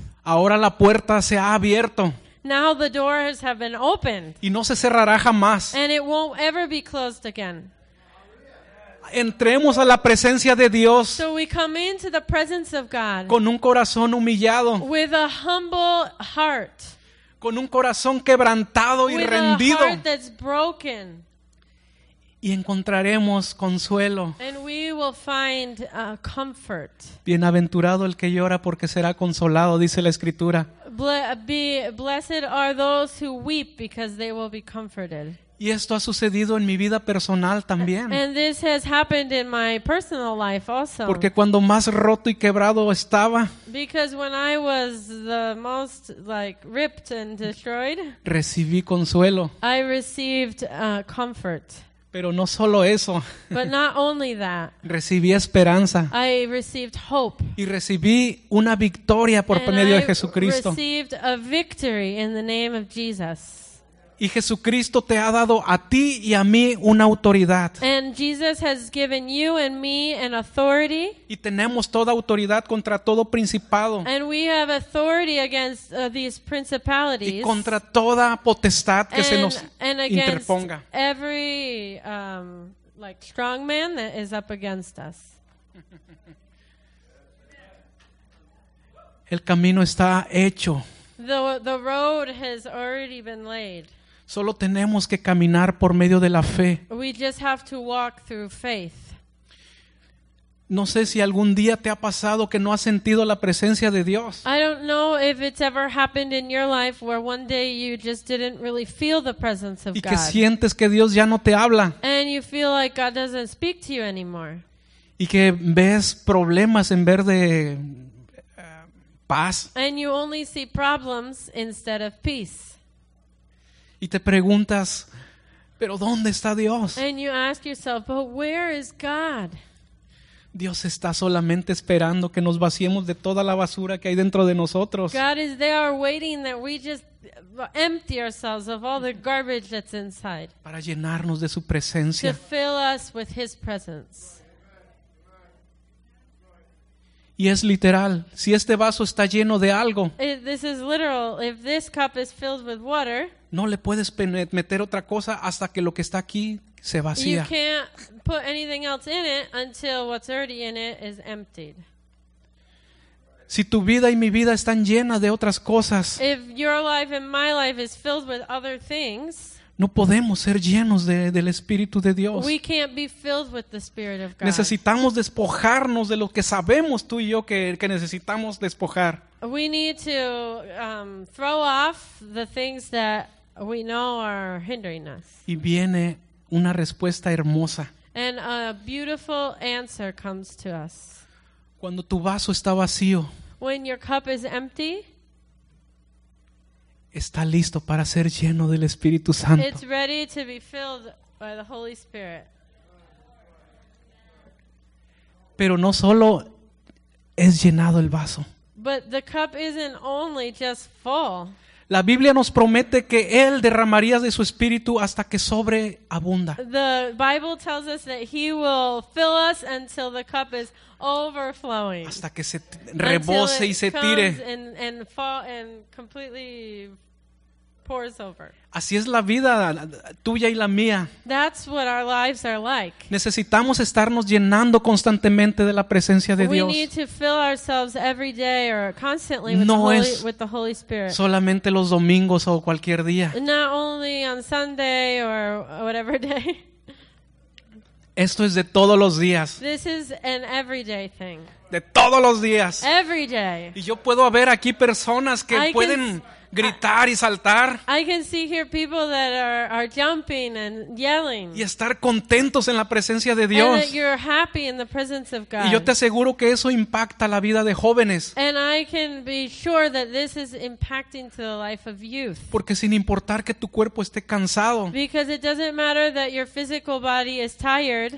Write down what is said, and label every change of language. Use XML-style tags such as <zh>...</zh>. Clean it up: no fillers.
<es>Ahora la puerta se ha abierto.</es> <en>Now the doors have been opened.</en> <es>Y no se cerrará jamás.</es> <en>And it won't ever be closed again.</en> <es>Entremos a la presencia de Dios.</es> <en>So we come into the presence of God.</en> <es>Con un corazón humillado.</es> <en>With a humble heart.</en> <es>Con un corazón quebrantado y rendido.</es> <en>With a heart that's broken.</en> <es>Y encontraremos consuelo.</es> <en>And we will find comfort.</en> <es>Bienaventurado el que llora porque será consolado, dice la Escritura.</es> <en>Blessed are those who weep because they will be comforted.</en> <es>Y esto ha sucedido en mi vida personal también.</es> <en>And this has happened in my personal life also.</en> <es>Porque cuando más roto y quebrado estaba.</es> <en>Because when I was the most like ripped and destroyed.</en> <es>Recibí consuelo.</es> <en>I received comfort.</en> <es>Pero no solo eso.</es> <en>But not only that.</en> <es>Recibí esperanza.</es> <en>I received hope.</en> <es>Y recibí una victoria por medio de Jesucristo.</es> <en>And I received a victory in the name of Jesus.</en> <es>Y Jesucristo te ha dado a ti y a mí una autoridad.</es> <en>And Jesus has given you and me an authority.</en> <es>Y tenemos toda autoridad contra todo principado.</es> <en>And we have authority against these principalities.</en> <es>Y contra toda potestad que</es> <en>and,</en> <es>se nos</es> <en>and against</en> <es>interponga.</es> <en>Every like strong man that is up against us.</en> <es>El camino está hecho.</es> <en>The road has already been laid.</en> <es>Solo tenemos que caminar por medio de la fe.</es> <en>We just have to walk through faith.</en> <es>No sé si algún día te ha pasado que no has sentido la presencia de Dios.</es> <en>I don't know if it's ever happened in your life where one day you just didn't really feel the presence of God.</en> <es>Y que sientes que Dios ya no te habla.</es> <en>And you feel like God doesn't speak to you anymore.</en> <es>Y que ves problemas en vez de paz.</es> <en>And you only see problems instead of peace.</en> <es>Y te preguntas, ¿pero dónde está Dios?</es> <en>And you ask yourself, but where is God?</en> <es>Dios está solamente esperando que nos vaciemos de toda la basura que hay dentro de nosotros.</es> <en>God is there waiting that we just empty ourselves of all the garbage that's inside.</en> <es>Para llenarnos de su presencia.</es> <en>To fill us with his presence.</en> <es>Y es literal. Si este vaso está lleno de algo.</es> <en>This is literal. If this cup is filled with water.</en> <es>No le puedes meter otra cosa hasta que lo que está aquí se vacía.</es> <en>You can't put anything else in it until what's already in it is emptied.</en> <es>Si tu vida y mi vida están llenas de otras cosas.</es> <en>If your life and my life is filled with other things.</en> <es>No podemos ser llenos del Espíritu de Dios.</es> <en>We can't be filled with the Spirit of God.</en> <es>Necesitamos despojarnos de lo que sabemos tú y yo que necesitamos despojar.</es> <en>We need to throw off the things that we know are hindering us.</en> <es>Y viene una respuesta hermosa.</es> <en>And a beautiful answer comes to us.</en> <es>Cuando tu vaso está vacío.</es> <en>When your cup is empty.</en> <es>Está listo para ser lleno del Espíritu Santo.</es> <en>It's ready to be filled by the Holy Spirit.</en> <es>Pero no solo es llenado el vaso.</es> <en>But the cup isn't only just full.</en> <es>La Biblia nos promete que Él derramaría de su Espíritu hasta que sobreabunda.</es> <en>The Bible tells us that He will fill us until the cup is overflowing.</en> <es>Hasta que se rebose y se tire.</es> <en>And completely pours over.</en> <es>Así es la vida tuya y la mía.</es> <en>That's what our lives are like.</en> <es>Necesitamos estarnos llenando constantemente de la presencia de Dios.</es> <en>We need to fill ourselves every day or constantly with the Holy Spirit.</en> <es>Solamente los domingos o cualquier día.</es> <en>Not only on Sunday or whatever day.</en> <es>Esto es de todos los días.</es> <en>This is an everyday thing.</en> <es>De todos los días.</es> <en>Every day.</en> <es>Y yo puedo ver aquí personas que pueden gritar y saltar.</es> <en>I can see here people that are jumping and yelling.</en> <es>Y estar contentos en la presencia de Dios.</es> <en>And that you're happy in the presence of God.</en> <es>Y yo te aseguro que eso impacta la vida de jóvenes.</es> <en>And I can be sure that this is impacting to the life of youth.</en> <es>Porque sin importar que tu cuerpo esté cansado.</es> <en>Because it doesn't matter that your physical body is tired.</en>